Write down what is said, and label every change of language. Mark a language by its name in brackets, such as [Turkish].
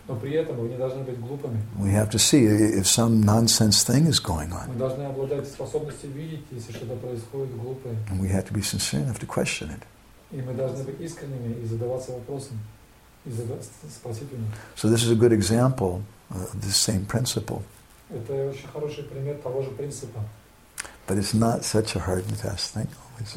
[Russian] при этом вы не должны быть глупыми. [English] We have to see if some nonsense thing is going on. [Russian] Мы должны обладать способностью видеть, если что-то происходит глупое. [English] And we have to be sincere enough to question it. [Russian] И мы должны быть искренними и задаваться вопросом, и спросить у них. [English] So this is a good example of the same principle. [Russian] Это очень хороший пример того же принципа. [English] But it's not such a hard and fast thing always.